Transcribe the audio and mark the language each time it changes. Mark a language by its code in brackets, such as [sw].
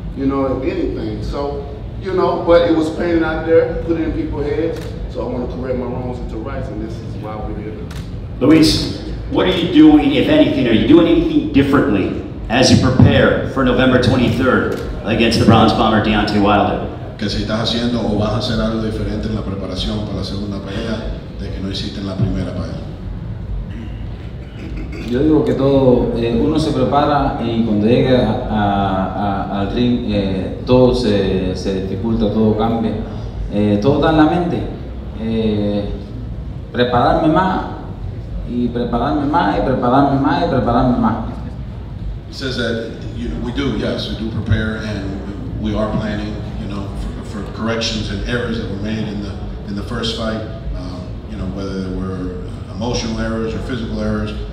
[en] you know, if anything. So, you know, but it was painted out there, put it in people's heads. So I want to correct my wrongs into rights, and this is why we're here. Luis, what are you doing, if anything? Are you doing anything differently as you prepare for November 23rd against the bronze bomber Deontay Wilder? [es] Que si estás haciendo o vas a hacer algo diferente en la preparación para la segunda pelea de que no hiciste en la primera pelea. Yo digo que todo, uno se prepara y cuando llega al ring todo se dificulta, todo cambia. Todo está en la mente. Prepararme más y prepararme más y prepararme más y prepararme más. [en] He says that, you know, we do, yes, we do prepare and we are planning, you know, for corrections and errors that were made in the first fight, you know, whether there were emotional errors or physical errors.